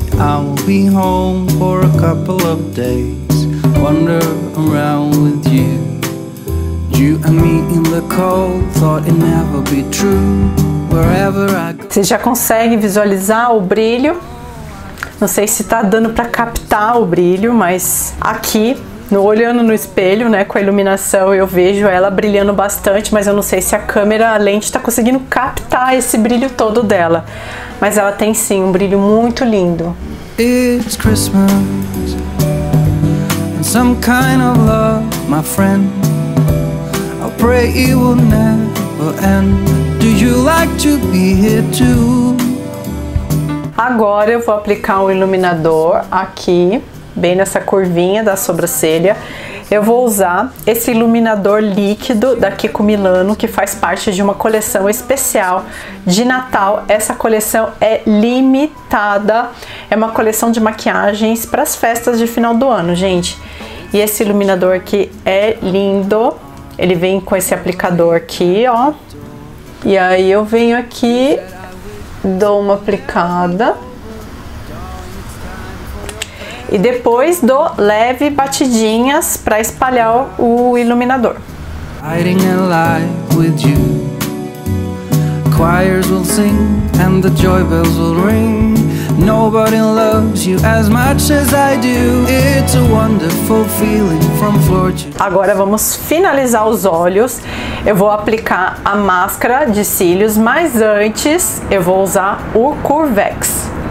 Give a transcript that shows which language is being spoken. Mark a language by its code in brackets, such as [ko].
[en] I will be home for a couple of days, wander around with you. You and me in the cold, thought it never be true. Wherever I go. [pt] Você já consegue visualizar o brilho? Não sei se tá dando pra captar o brilho, mas aqui, no, olhando no espelho, né, com a iluminação, eu vejo ela brilhando bastante, mas eu não sei se a câmera, a lente, tá conseguindo captar esse brilho todo dela. Mas ela tem sim um brilho muito lindo. [en] It's Christmas and some kind of love, my friend. I pray it will never end. Do you like to be here too? [pt] Agora eu vou aplicar um iluminador aqui, bem nessa curvinha da sobrancelha. Eu vou usar esse iluminador líquido da Kiko Milano, que faz parte de uma coleção especial de Natal. Essa coleção é limitada, é uma coleção de maquiagens para as festas de final do ano, gente. E esse iluminador aqui é lindo, ele vem com esse aplicador aqui, ó. E aí eu venho aqui, dou uma aplicada e depois dou leve batidinhas para espalhar o iluminador. [en] Lighting a light with you. Choirs will sing and the joy bells will ring. Nobody loves you as much as I do. It's a wonderful feeling from floor to... [pt] Agora vamos finalizar os olhos. Eu vou aplicar a máscara de cílios, mas antes eu vou usar o Curvex.